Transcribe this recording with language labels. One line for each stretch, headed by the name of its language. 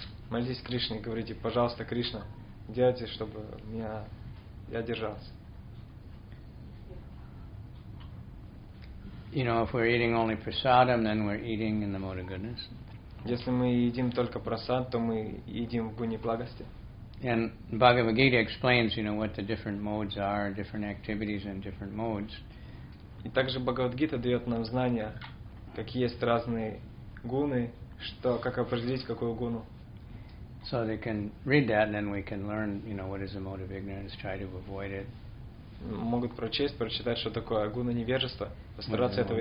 Russian: Молитесь Кришне, говорите, пожалуйста, Кришна, делайте, чтобы я держался.
English: You know, if we're eating only prasadam, then we're eating in the mode of goodness.
Russian: Если мы едим только прасад, то мы едим в гуне благости.
English: And Bhagavad Gita explains, you know, what the different modes are, different activities and different modes.
Russian: И также Бхагавад Гита дает нам знания, какие есть разные гуны, что, как определить какую гуну.
English: So they can read that, and then we can learn, you know, what is the mode of ignorance, try to avoid it.
Russian: могут прочесть, прочитать, что такое гуна невежества, постараться этого